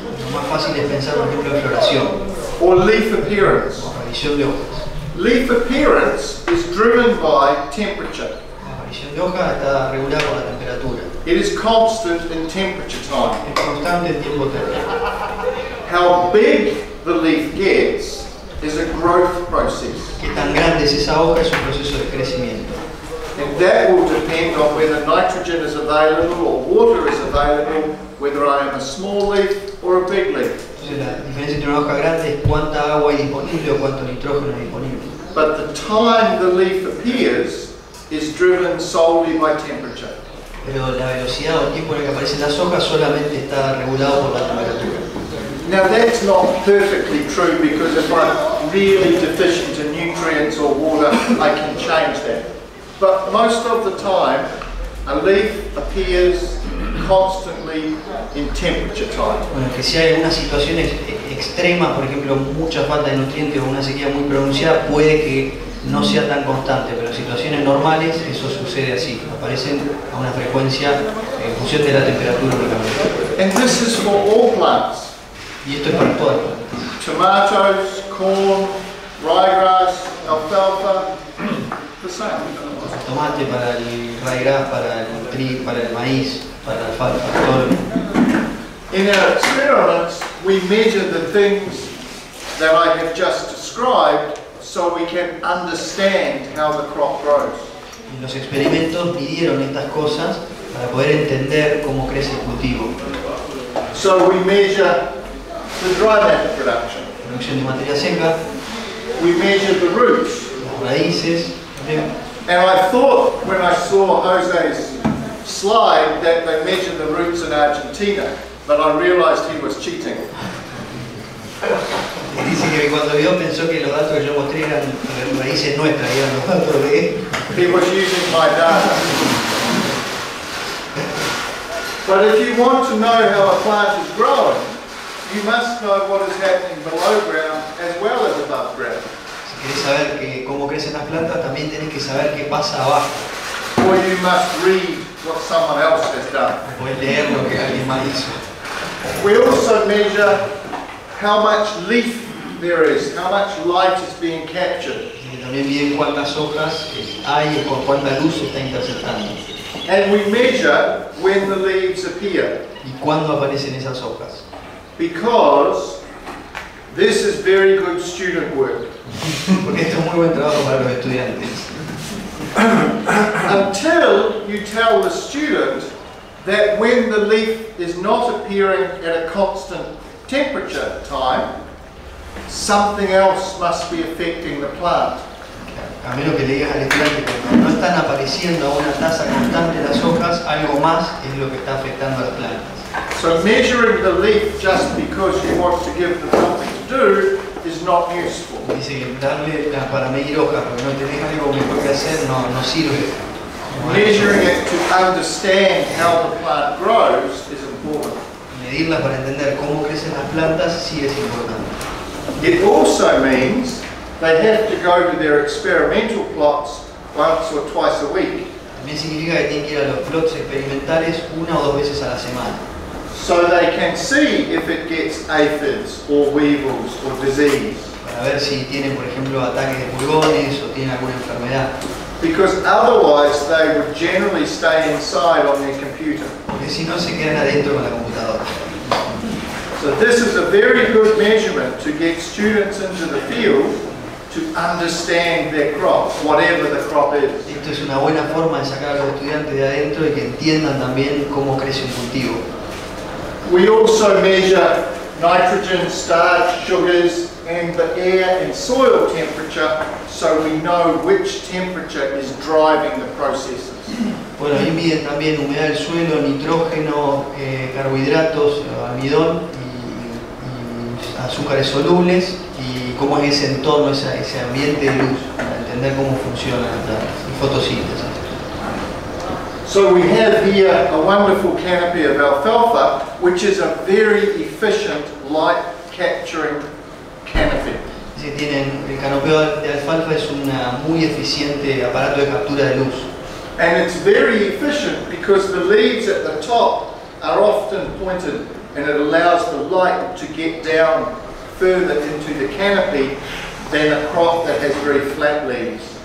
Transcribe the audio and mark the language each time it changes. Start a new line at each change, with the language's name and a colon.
Spanish: Lo más fácil es pensar, por ejemplo, floración.
English: Or leaf appearance.
Spanish: O aparición de hojas.
English: Leaf appearance is driven by temperature.
Spanish: La aparición de hoja está regulada por la temperatura.
English: It is constant in temperature time.
Spanish: Es constante en tiempo térmico.
English: How big the leaf gets is a growth process.
Spanish: Qué tan grande es esa hoja es un proceso de crecimiento.
English: And that will depend on whether nitrogen is available or water is available, whether I am a small leaf or a big leaf.
Spanish: La diferencia entre una hoja grande es cuánta agua hay disponible o cuánto nitrógeno hay disponible.
English: But the time the leaf appears is driven solely by temperature.
Spanish: Pero la velocidad o el tiempo en el que aparecen las hojas solamente está regulado por la temperatura.
English: Now that's not perfectly true, because if I'm really deficient in nutrients or water, I can change that. But most of the time, a leaf appears constantly in temperature time.
Spanish: Bueno, que si hay una situación extrema, por ejemplo, mucha falta de nutrientes o una sequía muy pronunciada, puede que no sea tan constante, pero en situaciones normales eso sucede así. Aparecen a una frecuencia en función de la temperatura únicamente.
English: And this is for all plants.
Spanish: Y esto es para todas las plantas.
English: Tomatoes, corn, ryegrass, alfalfa, the same.
Spanish: Tomate para el ryegrass, para el trigo, para el maíz, para la alfalfa, todo.
English: In our experiments, we measure the things that I have just described so we can understand how the crop grows.
Spanish: En los experimentos midieron estas cosas para poder entender cómo crece el cultivo.
English: So we measure the dry matter production.
Spanish: Producción de materia seca.
English: We measure the roots.
Spanish: Las raíces.
English: And I thought when I saw Jose's slide that they measure the roots in Argentina. But I realized he was cheating.
Spanish: Dice que cuando vio pensó que los datos que yo mostré eran raíces nuestras, eran los datos de él.
English: He was using my data. But if you want to know how a plant is growing, you must know what is happening below ground as well as above ground.
Spanish: Si quieres saber cómo crecen las plantas, también tienes que saber qué pasa abajo.
English: Or you must read what someone else has done.
Spanish: O leer lo que alguien más hizo.
English: We also measure how much leaf there is, how much light is being captured.
Spanish: También miden cuántas hojas hay y con cuánta luz se está interceptando.
English: And we measure when the leaves appear.
Spanish: Y cuándo aparecen esas hojas.
English: Because this is very good student work.
Spanish: Porque esto es muy buen trabajo para los estudiantes.
English: Until you tell the student that when the leaf is not appearing at a constant temperature time, something else must be affecting the plant.
Spanish: A menos que le digas al estudiante que no están apareciendo a una tasa constante las hojas, algo más es lo que está afectando a las plantas.
English: So measuring the leaf just because you want to give them something to do is not useful.
Spanish: Dice que darle para medir hojas porque no tenés algo mejor que hacer no sirve.
English: Measuring it to understand how the plant grows is important.
Spanish: Medirla para entender cómo crecen las plantas sí es importante.
English: It also means they have to go to their experimental plots once or twice a week.
Spanish: También significa que tienen que ir a los plots experimentales una o dos veces a la semana.
English: So they can see if it gets aphids or weevils or disease.
Spanish: Para ver si tienen, por ejemplo, ataques de pulgones o tienen alguna enfermedad.
English: Because otherwise they would generally stay inside on their computer.
Spanish: Porque si no, se quedan adentro con la computadora.
English: So this is a very good measurement to get students into the field to understand their crop, whatever the crop is.
Spanish: Esto es una buena forma de sacar a los estudiantes de adentro y que entiendan también cómo crece un cultivo.
English: We also measure nitrogen, starch, sugars, and the air and soil temperature, so we know which temperature is driving the processes.
Spanish: Bueno, ahí miden también humedad del suelo, nitrógeno, carbohidratos, almidón y azúcares solubles y cómo es ese entorno, ese ambiente de luz, para entender cómo funciona la fotosíntesis.
English: So we have here a wonderful canopy of alfalfa, which is a very efficient light capturing canopy.
Spanish: Sí, tienen el canopeo de alfalfa, es un muy eficiente aparato de captura de luz.
English: And it's very efficient because the leaves at the top are often pointed and it allows the light to get down further into the canopy than a crop that has very flat leaves.